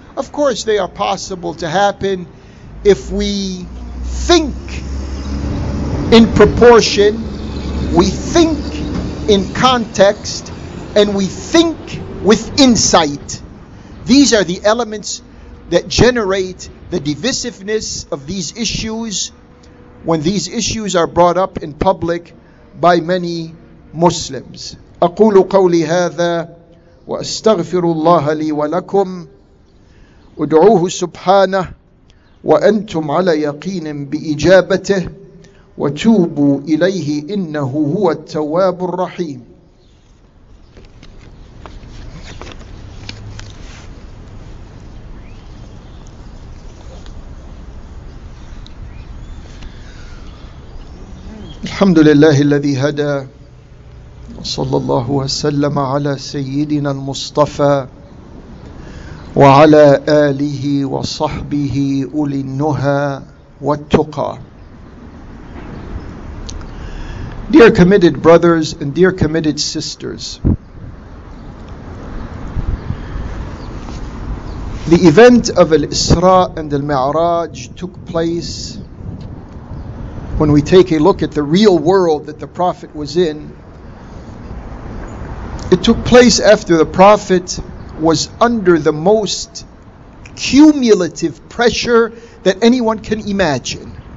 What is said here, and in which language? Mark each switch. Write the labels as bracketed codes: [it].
[en] Of course they are possible to happen if we think in proportion, we think in context, and we think with insight. These are the elements that generate the divisiveness of these issues when these issues are brought up in public by many Muslims. [ar] أقول قولي هذا وأستغفر الله لي ولكم أدعوه سبحانه وأنتم على يقين بإجابته وتوبوا إليه إنه هو التواب الرحيم. الحمد لله الذي هدى وصلى الله وسلم على سيدنا المصطفى وعلى آله وصحبه أولي النهى والتقى. [en] Dear committed brothers and dear committed sisters, the event of Al-Isra and Al-Mi'raj took place, when we take a look at the real world that the Prophet was in, it took place after the Prophet was under the most cumulative pressure that anyone can imagine.